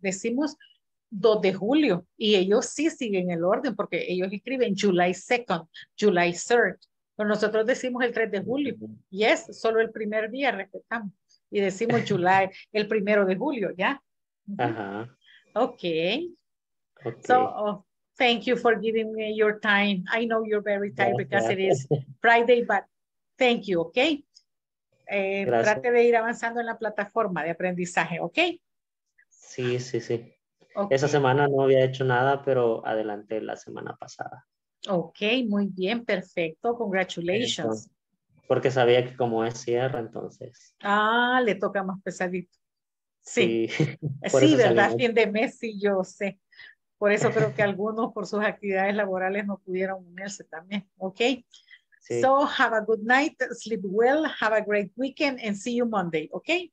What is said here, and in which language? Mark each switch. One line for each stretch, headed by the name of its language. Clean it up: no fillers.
Spanish: Decimos 2 de julio. Y ellos sí siguen el orden porque ellos escriben
English: July 2nd, July 3rd.
Spanish: Pero nosotros decimos el 3 de julio. Y es solo el primer día, respetamos. Y decimos July, el primero de julio, ¿ya? Ajá.
English: Okay. So, thank you for giving me your time. I know you're very tired because it is Friday, but thank you, okay?
Spanish: Trate de ir avanzando en la plataforma de aprendizaje, okay? Sí, sí, sí. Okay. Esa semana no había hecho nada, pero adelanté la semana pasada. Okay, muy bien, perfecto.
English: Congratulations.
Spanish: Entonces, porque sabía que como es cierre, entonces. Ah, le toca más pesadito. Sí, sí, sí, verdad, fin de mes, sí, yo sé. Por eso creo que algunos por sus actividades laborales no pudieron unirse también, ¿ok? Sí.
English: So, have a good night, sleep well, have a great weekend, and see you Monday, ¿ok?